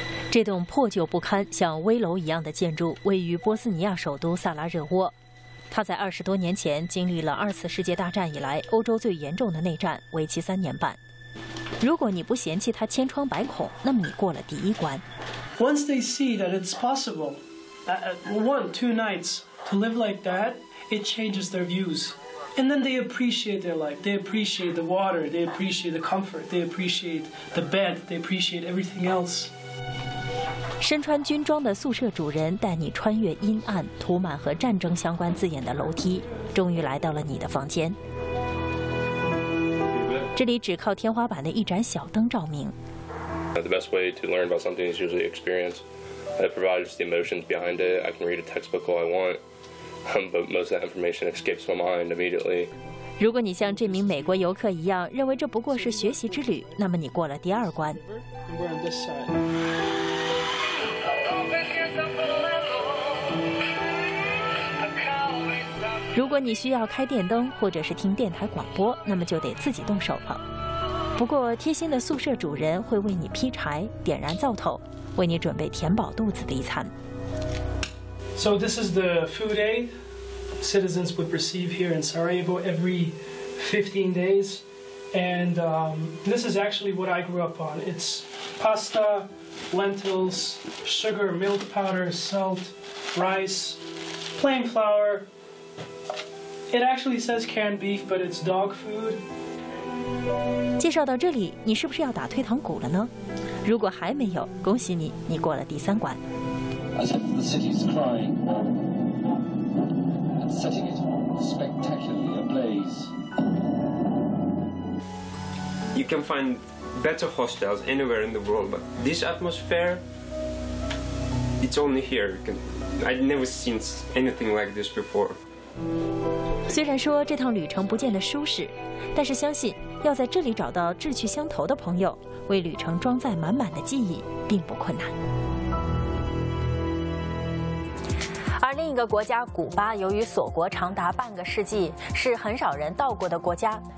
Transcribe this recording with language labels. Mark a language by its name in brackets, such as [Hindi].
[Chinese] 这栋破旧不堪、像危楼一样的建筑位于波斯尼亚首都萨拉热窝，它在20多年前经历了2次世界大战以来欧洲最严重的内战，为期3年半。如果你不嫌弃它千疮百孔，那么你过了第一关。 [English] Once they see that it's possible, one, two nights to live like that, it changes their views, and then they appreciate their life. They appreciate the water. They appreciate the comfort. They appreciate the bed. They appreciate everything else. [Chinese] 身穿军装的宿舍主人带你穿越阴暗、涂满和战争相关字眼的楼梯，终于来到了你的房间。这里只靠天花板的一盏小灯照明。 [English] The best way to learn about something is usually experience. It provides the emotions behind it. I can read a textbook all I want, but most of that information escapes my mind immediately. [Chinese] 如果你像这名美国游客一样，认为这不过是学习之旅，那么你过了第二关。如果你需要开电灯或者是听电台广播，那么就得自己动手了。不过贴心的宿舍主人会为你劈柴、点燃灶头，为你准备填饱肚子的一餐。 [English] So this is the food aid citizens would receive here in Sarajevo every 15 days. And this is actually what I grew up on. It's pasta, lentils, sugar, milk powder, salt, rice, plain flour. It actually says canned beef, but it's dog food. [Chinese] 介绍到这里，你是不是要打退堂鼓了呢？如果还没有，恭喜你，你过了第三关。 [English] You can find better hostels anywhere in the world, but this atmosphere, it's only here. I've never seen anything like this before. [Chinese] 虽然说这趟旅程不见得舒适，但是相信要在这里找到志趣相投的朋友，为旅程装载满满的记忆，并不困难。而另一个国家古巴，由于锁国长达半个世纪，是很少人到过的国家。